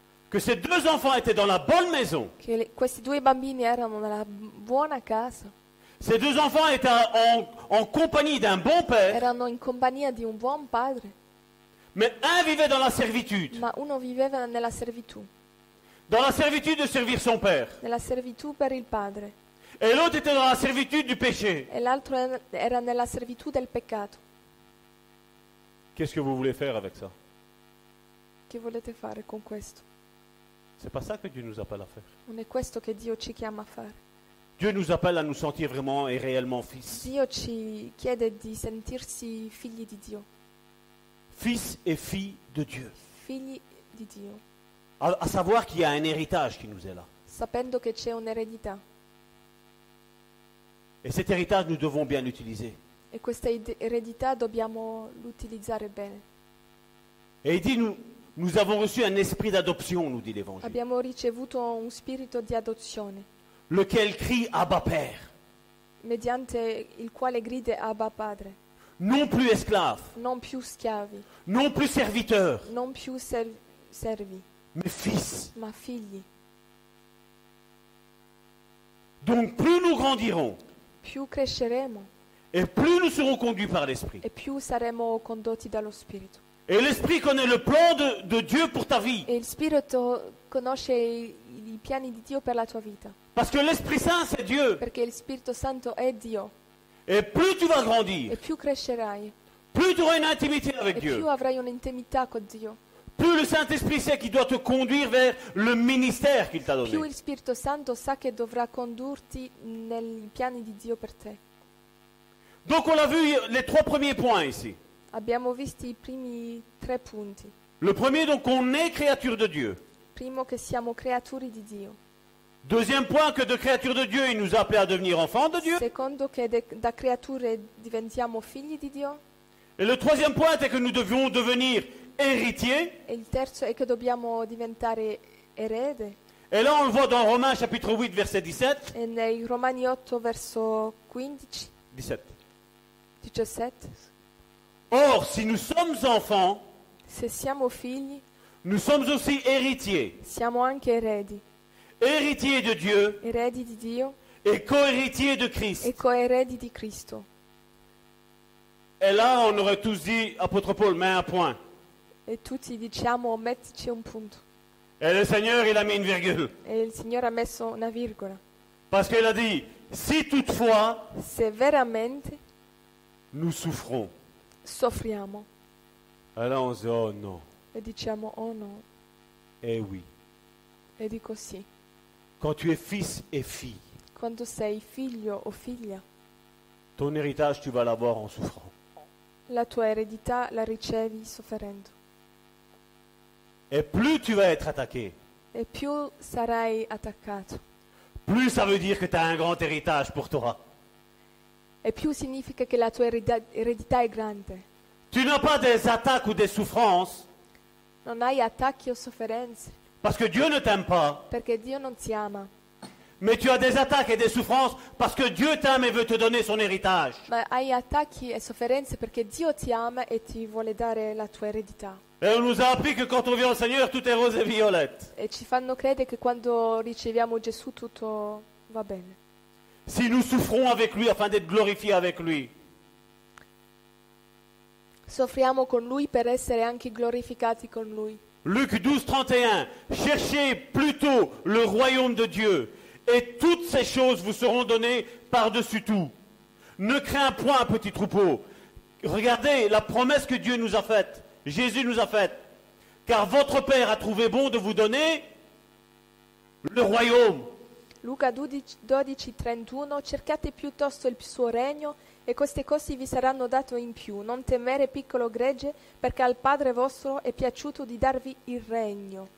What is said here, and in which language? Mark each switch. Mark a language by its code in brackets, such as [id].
[fr] Que ces deux enfants étaient dans la bonne maison. [it] Che questi due bambini erano nella buona casa. [fr] Ces deux enfants étaient en compagnie d'un bon père. [it] Erano in compagnia di un buon padre. [fr] Mais un vivait dans la servitude. [it] Ma uno viveva nella servitù. [fr] Dans la servitude de servir son père. [it] Nella servitù per il padre. [fr] Et l'autre était dans la servitude du péché. [it] E l'altro era nella servitù del peccato. [fr] Qu'est-ce que vous voulez faire avec ça? [it] Che volete fare con questo? [fr] C'est pas ça que Dieu nous appelle à faire. [it] Non è questo che Dio ci chiama a fare. [fr] Dieu nous appelle à nous sentir vraiment et réellement fils. [it] Dio ci chiede di sentirsi figli di Dio. [fr] Fils et filles de Dieu. [it] Figli di Dio. [fr] À savoir qu'il y a un héritage qui nous est là. [it] Sapendo che c'è un'eredità. [fr] Et cet héritage nous devons bien l'utiliser. [it] E questa eredità dobbiamo l'utilizzare bene. [fr] Et il dit, nous avons reçu un esprit d'adoption, nous dit l'Évangile. [it] Abbiamo ricevuto un spirito di adozione. [fr] Lequel crie Abba Père. [it] Mediante il quale grida Abba Padre. [fr] Non plus esclaves. [it] Non più schiavi. [fr] Non plus serviteurs. [it] Non più servi. [fr] Mais fils. [it] Ma figli. [fr] Donc plus nous grandirons. [it] Più cresceremo. [fr] Et plus nous serons conduits par l'Esprit. [it] E più saremo condotti dallo Spirito. [fr] Et l'esprit connaît le plan de Dieu pour ta vie. [it] E il spirito conosce i piani di Dio per la tua vita. [fr] Parce que l'Esprit Saint c'est Dieu. [it] Perché il Spirito Santo è Dio. [fr] Et plus tu vas grandir. [it] E più crescerai. [fr] Plus tu auras une intimité avec Dieu. [it] E più avrai un'intimità con Dio. [fr] Plus le Saint-Esprit sait qu'il doit te conduire vers le ministère qu'il t'a donné. [it] Più il Spirito Santo sa che dovrà condurti nei piani di Dio per te. [fr] Donc on l'a vu les trois premiers points ici. [it] Abbiamo visto i primi tre punti. [fr] Le premier, donc, on est créature de Dieu. [it] Primo, che siamo creature di Dio. [fr] Deuxième point, que de créature de Dieu, il nous a appelé à devenir enfants de Dieu. [it] Secondo, che da creature diventiamo figli di Dio. [fr] Et le troisième point est que nous devions devenir héritiers. [it] E il terzo è che dobbiamo diventare erede. [fr] Et là, on le voit dans Romains chapitre 8, verset 17. [it] E nei Romani 8, verso 15. [fr] 17. [it] 17. [fr] Or, si nous sommes enfants, [it] se siamo figli, [fr] nous sommes aussi héritiers. [it] Siamo anche eredi. [fr] Héritiers de Dieu. [it] Eredi di Dio. [fr] Et co-héritiers de Christ. [it] E co-eredi di Cristo. [fr] Et là, on aurait tous dit, apôtre Paul, mets un point. [it] E tutti diciamo, mettici un punto. [fr] Et le Seigneur, il a mis une virgule. [it] E il Signore ha messo una virgola. [fr] Parce qu'il a dit, si toutefois, [it] se veramente, [fr] nous souffrons. [it] Soffriamo. [fr] Allora on dice, oh no. [it] E diciamo oh no. [fr] Eh oui. [it] E dico sì. [fr] Quand tu es fils et fille. [it] Quando sei figlio o figlia. [fr] Ton héritage tu vas l'avoir en souffrant. [it] La tua eredità la ricevi sofferendo. [fr] Et plus tu vas être attaqué. [it] E più sarai attaccato. [fr] Plus ça veut dire que tu as un grand héritage pour toi. [it] E più significa che la tua eredità è grande. [fr] Tu n'as pas des attaques ou des souffrances. [it] Non hai attacchi o sofferenze. [fr] Parce que Dieu ne t'aime pas. [it] Perché Dio non ti ama. [fr] Mais tu as des attaques et des souffrances parce que Dieu t'aime et veut te donner son héritage. [it] Ma hai attacchi e sofferenze perché Dio ti ama e ti vuole dare la tua eredità. [fr] Et on nous a appris que quand on vient au Seigneur, tout est rose et violette. [it] E ci fanno credere che quando riceviamo Gesù tutto va bene. [fr] Si nous souffrons avec lui afin d'être glorifiés avec lui. [it] Soffriamo con lui per essere anche glorificati con lui. [fr] Luc 12, 31. Cherchez plutôt le royaume de Dieu et toutes ces choses vous seront données par-dessus tout. Ne crains point, petit troupeau. Regardez la promesse que Dieu nous a faite. Jésus nous a faite. Car votre Père a trouvé bon de vous donner le royaume. [it] Luca 12, 31, cercate piuttosto il suo regno e queste cose vi saranno date in più. Non temere, piccolo gregge, perché al Padre vostro è piaciuto di darvi il regno.